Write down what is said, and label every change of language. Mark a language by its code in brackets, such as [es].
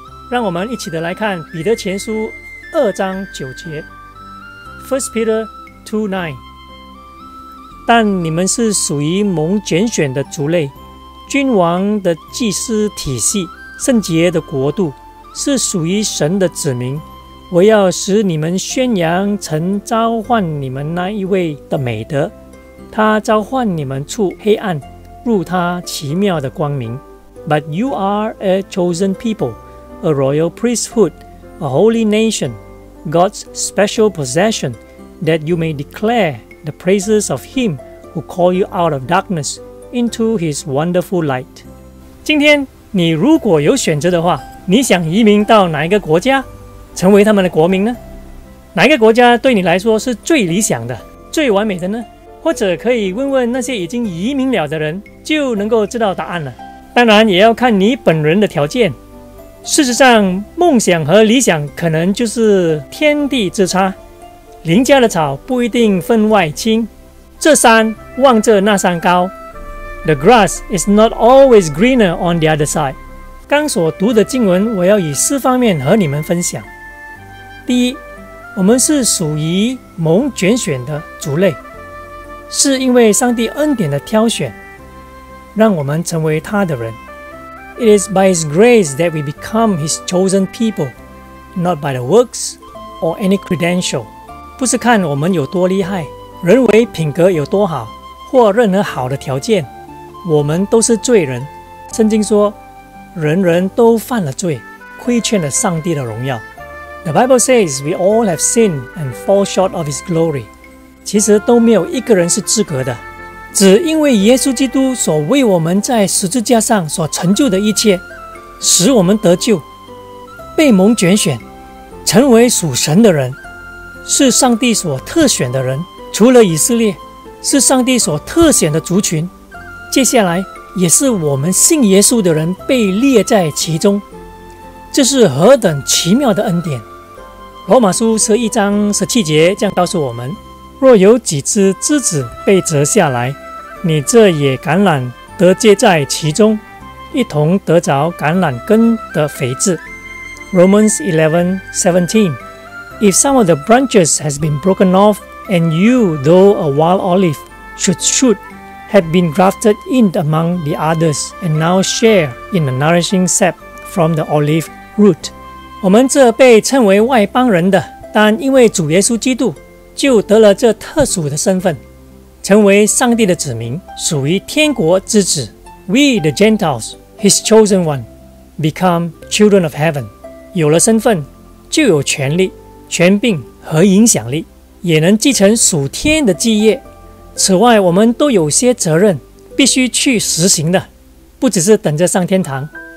[zh] 让我们一起的来看彼得前书2章9节， 1 Peter 2:9， 但你们是属于蒙拣选的族类，君王的祭司体系，圣洁的国度，是属于神的子民，我要使你们宣扬曾召唤你们那一位的美德，他召唤你们出黑暗入他奇妙的光明。 [en] But you are a chosen people, a royal priesthood, a holy nation, God's special possession, that you may declare the praises of him who called you out of darkness into his wonderful light. [zh] 今天你如果有选择的话，你想移民到哪一个国家成为他们的国民呢？哪一个国家对你来说是最理想的、最完美的呢？或者可以问问那些已经移民了的人，就能够知道答案了。当然也要看你本人的条件。事实上，梦想和理想可能就是天地之差，邻家的草不一定分外青，这山望着那山高。 [en] The grass is not always greener on the other side. [zh] 刚所读的经文我要以四方面和你们分享。第一，我们是属于蒙拣选的族类，是因为上帝恩典的挑选让我们成为他的人。 [en] It is by his grace that we become his chosen people, not by the works or any credential. [zh] 不是看我们有多厉害，人为品格有多好，或任何好的条件。我们都是罪人，圣经说人人都犯了罪，亏欠了上帝的荣耀。 [en] The Bible says we all have sinned and fall short of his glory. [zh] 其实都没有一个人是资格的，只因为耶稣基督所为我们在十字架上所成就的一切，使我们得救，被蒙拣选，成为属神的人，是上帝所特选的人，除了以色列，是上帝所特选的族群，接下来也是我们信耶稣的人被列在其中，这是何等奇妙的恩典。罗马书11章17节这样告诉我们，若有几枝枝子被折下来，你这也橄榄得接在其中，一同得着橄榄根的肥质。 [en] Romans 11:17. If some of the branches has been broken off, and you, though a wild olive, should shoot, have been grafted in among the others, and now share in the nourishing sap from the olive root. [zh] 我们这被称为外邦人的，但因为主耶稣基督就得了这特殊的身份，成为上帝的子民，属于天国之子。 [en] We the Gentiles, his chosen one, become children of heaven. [zh] 有了身份就有权力、权柄和影响力，也能继承属天的基业。此外，我们都有些责任必须去实行的，不只是等着上天堂。